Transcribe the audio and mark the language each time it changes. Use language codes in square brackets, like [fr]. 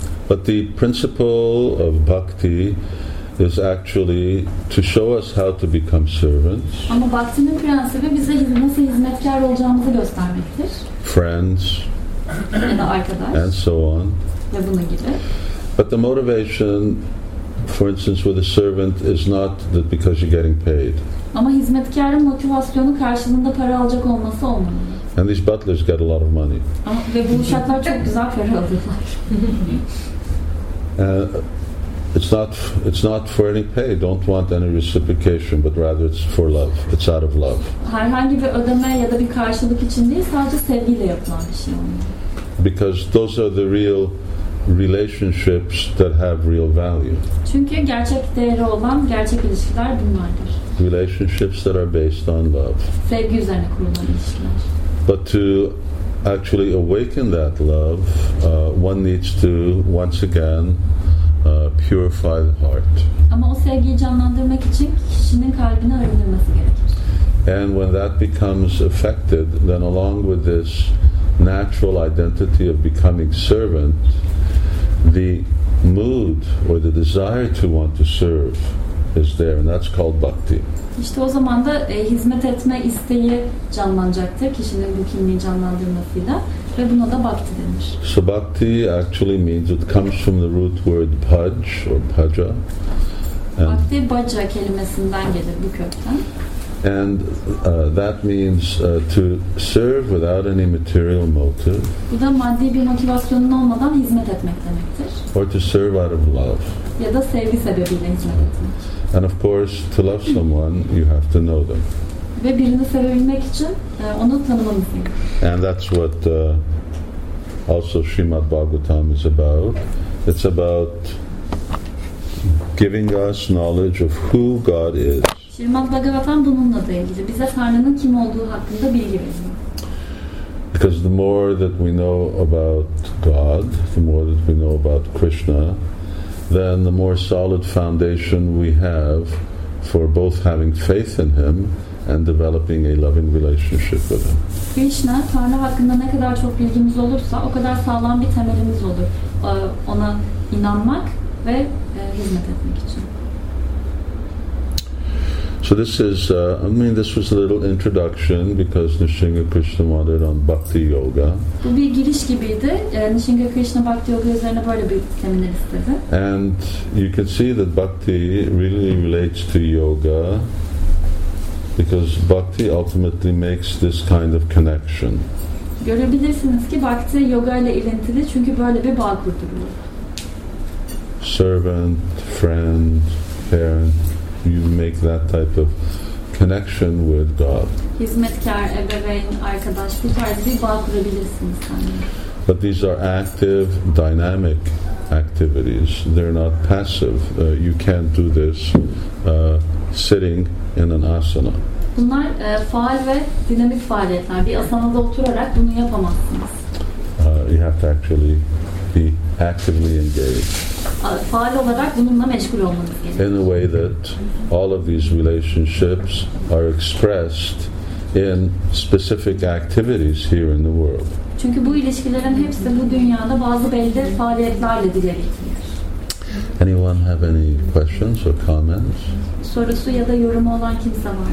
[en] But the principle of bhakti is actually to show us how to become servants. [tr] Ama bhakti'nin prensibi bize nasıl hizmetkar olacağımızı göstermektir. [en] Friends. [tr] Ya da arkadaş. [en] And so on. [tr] Ya bunun gibi. [en] But the motivation, for instance, with a servant is not that because you're getting paid. [tr] Ama hizmetkarın motivasyonu karşılığında para alacak olması olmamalı. [en] And these butlers get a lot of money. [tr] Ve bu uşaklar çok güzel para alıyorlar. [en] It's not for any pay. Don't want any reciprocation, but rather it's for love. It's out of love. [tr] Herhangi bir ödeme ya da bir karşılık için değil, sadece sevgiyle yapılan bir şey olmalı. [en] Because those are the real relationships that have real value. [tr] Çünkü gerçek değeri olan gerçek ilişkiler bunlardır. [en] Relationships that are based on love. [tr] Sevgi üzerine kurulan ilişkiler. [en] But to actually awaken that love, one needs to once again purify the heart. [tr] Ama o sevgiyi canlandırmak için kişinin kalbini arındırması gerekir. [en] And when that becomes affected, then along with this natural identity of becoming servant, the mood or the desire to want to serve is there, and that's called bhakti. [tr] İşte o zaman da hizmet etme isteği canlanacaktır kişinin bu kimliği canlandırmasıyla ve buna da bhakti denir. [en] So bhakti actually means it comes from the root word bhaj or bhaja. [tr] Bhakti bhaja kelimesinden gelir bu kökten. [en] And that means to serve without any material motive. [tr] Bu da maddi bir motivasyonun olmadan hizmet etmek demektir. [en] Or to serve out of love. [tr] Ya da sevgi sebebiyle hizmet etmek. [en] And of course, to love someone, you have to know them. [tr] Ve birini sevebilmek için onu tanımamız gerekir. [en] And that's what also Srimad Bhagavatam is about. It's about giving us knowledge of who God is. [tr] Srimad Bhagavatam bununla da ilgili. Bize Tanrı'nın kim olduğu hakkında bilgi veriyor. [en] Because the more that we know about God, the more that we know about Krishna, then the more solid foundation we have for both having faith in Him and developing a loving relationship with Him. [tr] Krishna, Tanrı hakkında ne kadar çok bilgimiz olursa o kadar sağlam bir temelimiz olur. Ona inanmak ve hizmet etmek için. [en] So this is, this was a little introduction because Nisinga Krishna wanted on Bhakti Yoga. [tr] Bu bir giriş gibiydi. Nisinga Krishna Bhakti Yoga üzerine böyle bir seminer istedi. [en] And you can see that Bhakti really relates to Yoga because Bhakti ultimately makes this kind of connection. [tr] Görebilirsiniz ki Bhakti Yoga ile ilintili çünkü böyle bir bağ kurdu. [en] Servant, friend, parent, you make that type of connection with God. [tr] Hizmetkar, ebeveyn, arkadaş, bu tarz bir bağ kurabilirsiniz sanırım. [en] But these are active, dynamic activities. They're not passive. You can't do this sitting in an asana. [tr] Bunlar faal ve dinamik faaliyetler. Bir asanada oturarak bunu yapamazsınız. [en] You have to actually be actively engaged. [tr] Faal olarak bununla meşgul olmanız gerekiyor. [en] In a way that all of these relationships are expressed in specific activities here in the world. [tr] Çünkü bu ilişkilerin hepsi bu dünyada bazı belli faaliyetlerle dile getirilir. [en] Anyone have any questions or comments? [tr] Sorusu ya da yorumu olan kimse var mı?